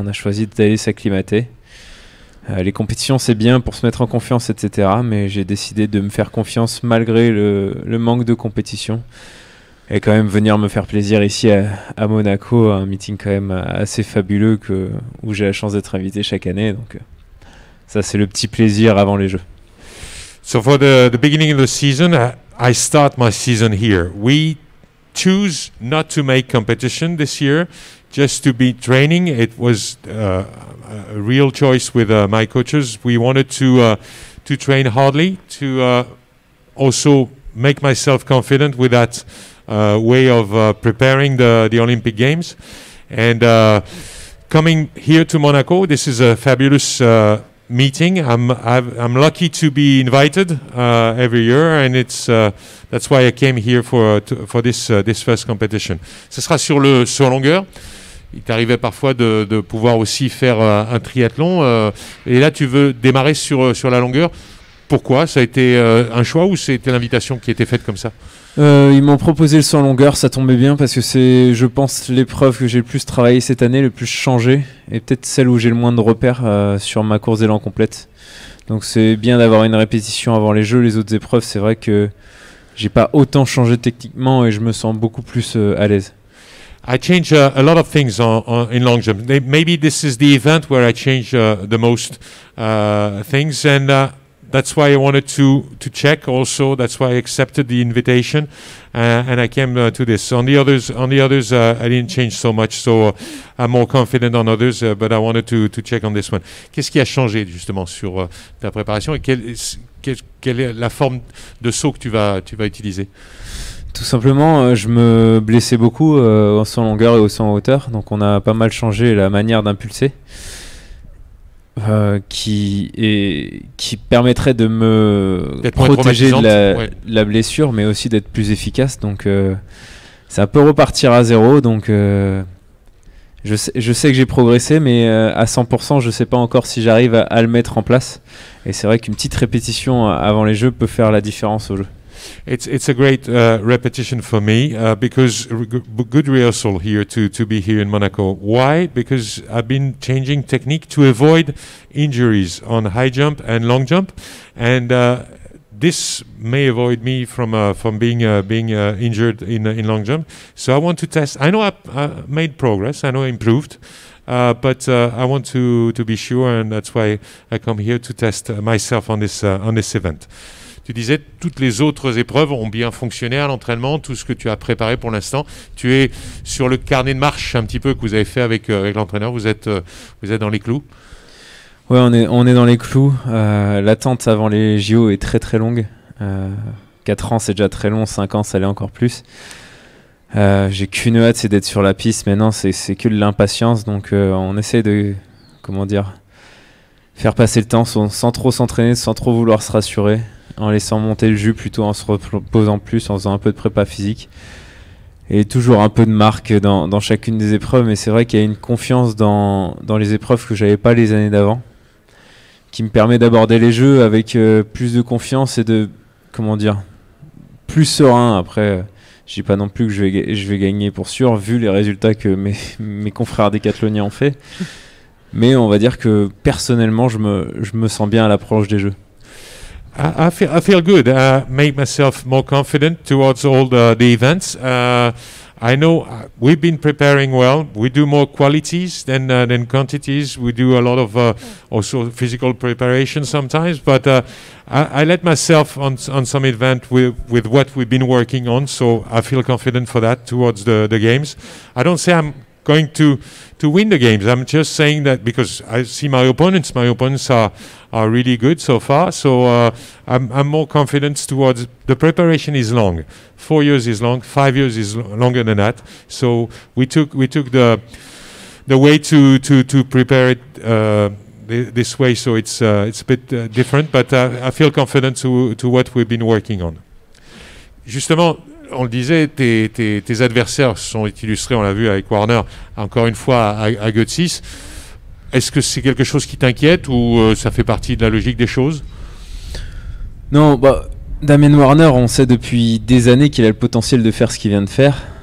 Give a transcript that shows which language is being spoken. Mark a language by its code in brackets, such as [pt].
[fr] On a choisi d'aller s'acclimater. Les compétitions, c'est bien pour se mettre en confiance, etc. Mais j'ai décidé de me faire confiance malgré le manque de compétition. Et quand même venir me faire plaisir ici à Monaco, un meeting quand même assez fabuleux où j'ai la chance d'être invité chaque année. Donc ça, c'est le petit plaisir avant les Jeux. [en] So for the beginning of the season, I start my season here. We choose not to make competition this year, just to be training. It was a real choice with my coaches. We wanted to train hardly, to also make myself confident with that way of preparing the Olympic Games. And coming here to Monaco, this is a fabulous meeting. I'm lucky to be invited every year, and it's that's why I came here for this first competition. [fr] Ce sera sur le longueur. il t'arrivait parfois de pouvoir aussi faire un triathlon. Et là, tu veux démarrer sur la longueur. Pourquoi ? Ça a été un choix ou c'était l'invitation qui était faite comme ça ? Ils m'ont proposé le 100 longueur, ça tombait bien parce que c'est, je pense, l'épreuve que j'ai le plus travaillé cette année, le plus changé, et peut-être celle où j'ai le moins de repères sur ma course d'élan complète. Donc c'est bien d'avoir une répétition avant les Jeux. Les autres épreuves, c'est vrai que j'ai pas autant changé techniquement et je me sens beaucoup plus à l'aise. [en] I change a lot of things in long jump. Maybe this is the event where I change the most things, and that's why I wanted to check also. That's why I accepted the invitation, and I came to this. On the others, I didn't change so much, so I'm more confident on others. But I wanted to check on this one. [fr] Qu'est-ce qui a changé justement sur ta préparation et quelle est la forme de saut que tu vas utiliser? Tout simplement, je me blessais beaucoup en saut en longueur et au saut en hauteur, donc on a pas mal changé la manière d'impulser. Qui permettrait de me d'être protéger de la, ouais, la blessure, mais aussi d'être plus efficace. Donc, ça peut repartir à zéro. Donc, je sais que j'ai progressé, mais à 100%, je sais pas encore si j'arrive à le mettre en place. Et c'est vrai qu'une petite répétition avant les Jeux peut faire la différence au jeu. [en] It's a great repetition for me because good rehearsal here to be here in Monaco. Why? Because I've been changing technique to avoid injuries on high jump and long jump, and this may avoid me from being injured in long jump. So I want to test. I know I made progress. I know I improved, but I want to be sure, and that's why I come here to test myself on this event. [fr] Tu disais toutes les autres épreuves ont bien fonctionné à l'entraînement, tout ce que tu as préparé pour l'instant. Tu es sur le carnet de marche un petit peu que vous avez fait avec l'entraîneur. Vous êtes dans les clous. Ouais, on est dans les clous. L'attente avant les JO est très très longue. 4 ans c'est déjà très long, 5 ans ça l'est encore plus. J'ai qu'une hâte, c'est d'être sur la piste. Maintenant c'est que de l'impatience. Donc on essaie de, comment dire, faire passer le temps sans trop s'entraîner, sans trop vouloir se rassurer, en laissant monter le jus plutôt, en se reposant plus, en faisant un peu de prépa physique et toujours un peu de marque dans chacune des épreuves. Mais c'est vrai qu'il y a une confiance dans les épreuves que j'avais pas les années d'avant, qui me permet d'aborder les jeux avec plus de confiance et de, comment dire, plus serein. Après je dis pas non plus que je vais gagner pour sûr vu les résultats que mes confrères décathloniens ont fait, mais on va dire que personnellement je me sens bien à l'approche des jeux. [en] I feel good. I make myself more confident towards all the events. I know we've been preparing well. We do more qualities than quantities. We do a lot of also physical preparation sometimes. But I let myself on some event with what we've been working on. So I feel confident for that towards the games. I don't say I'm going to win the games. I'm just saying that because I see my opponents. My opponents are really good so far. So I'm more confident towards. The preparation is long. 4 years is long. 5 years is longer than that. So we took the way to prepare it this way. So it's a bit different. But I feel confident to what we've been working on. [fr] Justement, on le disait, tes adversaires sont illustrés, on l'a vu avec Warner, encore une fois à Götzis. Est-ce que c'est quelque chose qui t'inquiète ou ça fait partie de la logique des choses? Non, bah, Damien Warner, on sait depuis des années qu'il a le potentiel de faire ce qu'il vient de faire.